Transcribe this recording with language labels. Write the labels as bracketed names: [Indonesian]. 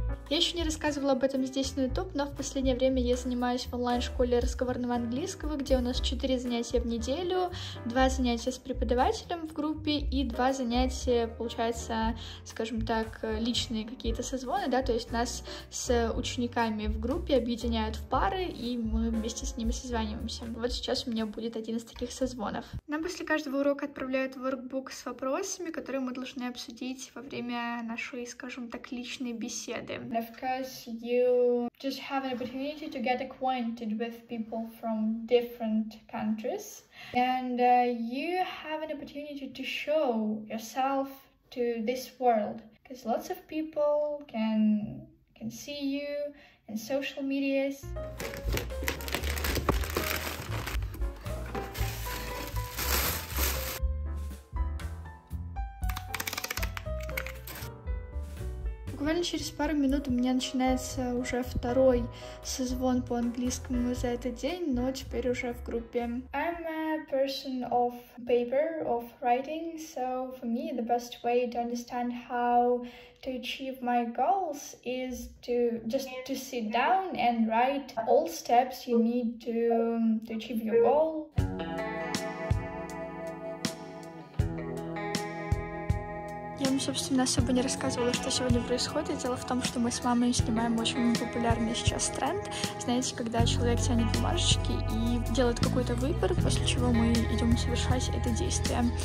[Russian] Я еще не рассказывала об этом здесь на YouTube, но в последнее время я занимаюсь в онлайн-школе разговорного английского, где у нас 4 занятия в неделю, 2 занятия с преподавателем в группе и 2 занятия, получается, скажем так, личные какие-то созвоны, да, то есть нас с учениками в группе объединяют в пары, и мы вместе с ними созваниваемся. Вот сейчас у меня будет один из таких созвонов. Нам после каждого урока отправляют воркбук с вопросами, которые мы должны обсудить во время нашей, скажем так, личной беседы. [English] And of course, you just have an opportunity to get acquainted with people from different countries. And you have an opportunity to show yourself to this world. Because lots of people can see you in social medias. [Russian] Буквально через пару минут у меня начинается уже 2-й созвон по английскому за этот день, но теперь уже в группе. [English] I'm a person of paper, of writing, so for me the best way to understand how to achieve my goals is to just to sit down and write all steps you need to achieve your goal. [Russian] Я вам, собственно, особо не рассказывала, что сегодня происходит. Дело в том, что мы с мамой снимаем очень популярный сейчас тренд. Знаете, когда человек тянет бумажечки и делает какой-то выбор, после чего мы идем совершать это действие.